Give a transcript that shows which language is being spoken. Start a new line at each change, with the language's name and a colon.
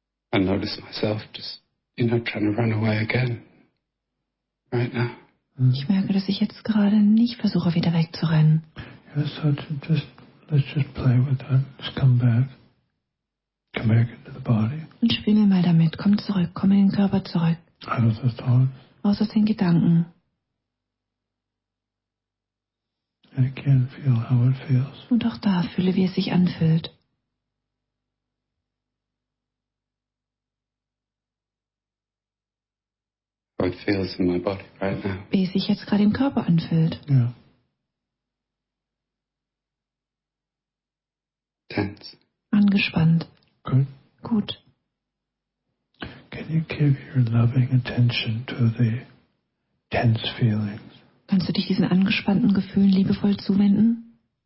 English: I notice myself just, you know, trying to run away again, right now.
German: Ich merke, dass ich jetzt gerade nicht versuche, wieder wegzurennen.
English: Yeah, so let's just play with that. Just come back into the body.
German: Und spiele mal damit. Komm zurück. Komm in den Körper zurück.
English: Out of the thoughts.
German: Aus den Gedanken.
English: And again, feel how it feels.
German: Und auch da fühle, wie es sich anfühlt.
English: It feels in my body right now.
German: Wie es sich jetzt gerade im Körper anfühlt.
English: Yeah. Tense.
German: Angespannt.
English: Good.
German: Gut.
English: Can you give your loving attention to the tense feelings?
German: Kannst du dich diesen angespannten Gefühlen liebevoll zuwenden?